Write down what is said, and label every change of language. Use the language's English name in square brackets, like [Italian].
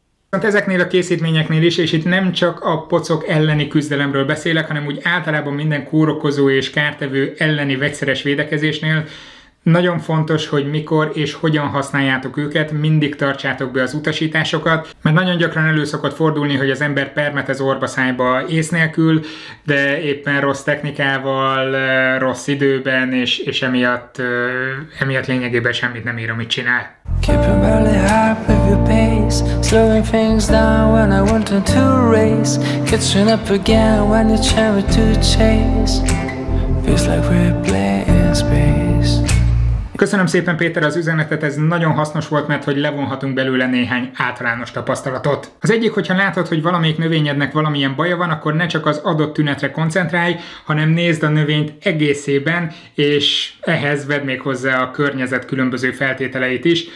[Hungarian] ezeknél a készítményeknél is, és itt nem csak a pocok elleni küzdelemről beszélek, hanem úgy általában minden kórokozó és kártevő elleni vegyszeres védekezésnél, nagyon fontos, hogy mikor és hogyan használjátok őket, mindig tartsátok be az utasításokat, mert nagyon gyakran elő szokott fordulni, hogy az ember permetez orba szájba ész nélkül, de éppen rossz technikával, rossz időben, és emiatt lényegében semmit nem ír, amit csinál. [English] Keep your belly up with your pace, slowing things down when I want to race, catching up again when you try to chase, feels like we're playing space. [Hungarian] Köszönöm szépen, Péter, az üzenetet, ez nagyon hasznos volt, mert hogy levonhatunk belőle néhány általános tapasztalatot. Az egyik, hogyha látod, hogy valamelyik növényednek valamilyen baja van, akkor ne csak az adott tünetre koncentrálj, hanem nézd a növényt egészében, és ehhez vedd még hozzá a környezet különböző feltételeit is.